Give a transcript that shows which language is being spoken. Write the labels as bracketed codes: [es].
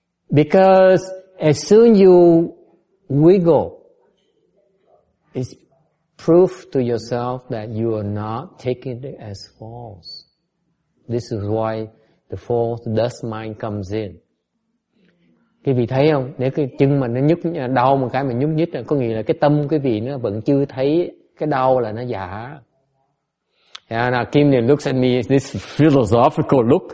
[en] Because as soon you wiggle, it's proof to yourself that you are not taking it as false. This is why the false dust mind comes in. [vi] Quý vị thấy không? Nếu cái chân mà nó nhức đau một cái mà nhúc nhích, có nghĩa là cái tâm quý vị nó vẫn chưa thấy cái đau là nó giả. [en] And Kim looks at me this philosophical look.